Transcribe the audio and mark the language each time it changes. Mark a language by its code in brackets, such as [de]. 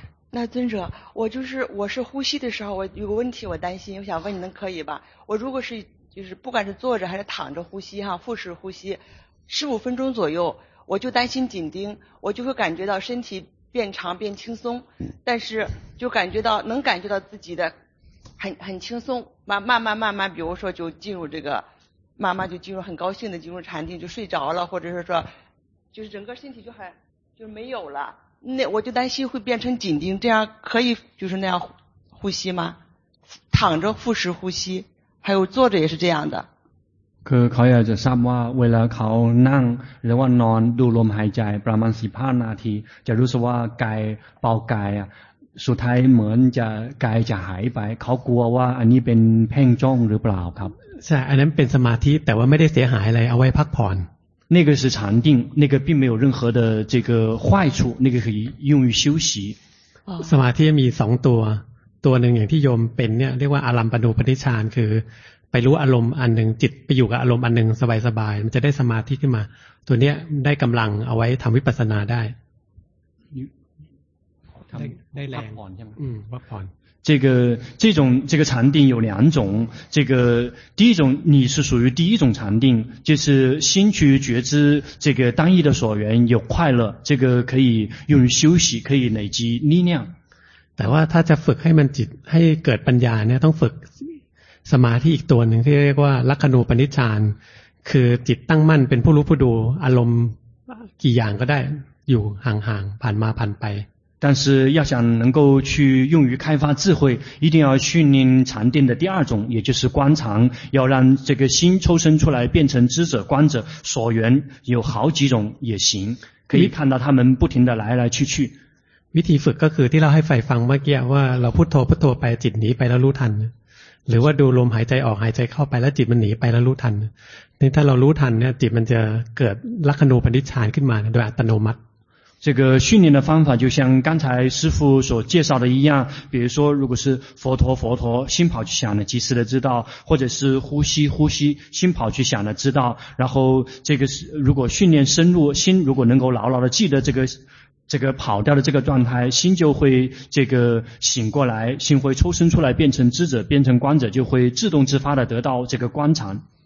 [zh] 那尊者我是呼吸的时候我有个问题我担心我想问你能可以吧我如果是就是不管是坐着还是躺着呼吸哈腹式呼吸15分钟左右我就担心紧盯我就会感觉到身体变长变轻松但是就感觉到能感觉到自己的很轻松慢慢比如说就进入这个慢慢就进入很高兴的进入禅定就睡着了或者是说就是整个身体就没有了那我就担心会变成紧盯这样可以就是那样呼吸吗躺着腹式呼吸还有坐着也是这样的 [th] คือเขาอยากจะทราบว่าเวลาเขานั่งหรือว่านอนดูลมหายใจประมาณ15 นาทีจะรู้สึกว่ากายเบากายสุดท้ายเหมือนจะกายจะหายไปเขากลัวว่าอันนี้เป็นเพ่งจ้องหรือเปล่าครับ ใช่อันนั้นเป็นสมาธิแต่ว่าไม่ได้เสียหายอะไรเอาไว้พักผ่อน [zh] 那个是禅定那个并没有任何的这个坏处那个可以用于休息 [th] สมาธิมี2 ตัว 1อย่างที่โยมเป็นเนี่ยเรียกว่าอารัมปนูปนิชฌานคือไปรู้อารมณ์อันหนึ่งจิตไปอยู่กับอารมณ์อันหนึ่งสบายๆมันจะได้สมาธิขึ้นมาตัวเนี้ยได้กำลังเอาไว้ทำวิปัสสนาได้ ได้แรง พักผ่อน [zh] 这个禅定有两种，这个第一种你是属于第一种禅定，就是心去觉知这个单一的所缘有快乐，这个可以用于休息，可以累积力量。 [th] แต่ว่าถ้าจะฝึกให้มันจิตให้เกิดปัญญาเนี่ยต้องฝึกสมาธิอีกตัวหนึ่งที่เรียกว่าลัคนูปนิชฌานคือจิตตั้งมั่นเป็นผู้รู้ผู้ดูอารมณ์กี่อย่างก็ได้อยู่ห่างๆผ่านมาผ่านไป [zh] 但是要想能够去用于开发智慧，一定要训练禅定的第二种，也就是观察，要让这个心抽身出来，变成知者、观者、所缘，有好几种也行，可以看到他们不停的来来去去。 [th] วิธีฝึกก็คือที่เราให้ไฟฟังเมื่อกี้ว่าเราพุทโธพุทโธไปจิตหนีไปแล้วรู้ทันหรือว่าดูลมหายใจออกหายใจเข้าไปแล้วจิตมันหนีไปแล้วรู้ทันนี่ถ้าเรารู้ทันเนี่ยจิตมันจะเกิดลัคนูปนิชฌานขึ้นมาโดยอัตโนมัติ [zh] 这个训练的方法就像刚才师父所介绍的一样，比如说如果是佛陀佛陀，心跑去想了及时的知道，或者是呼吸呼吸，心跑去想了知道，然后这个如果训练深入，心如果能够牢牢的记得这个跑掉的这个状态，心就会这个醒过来，心会抽身出来，变成知者，变成观者，就会自动自发的得到这个观察。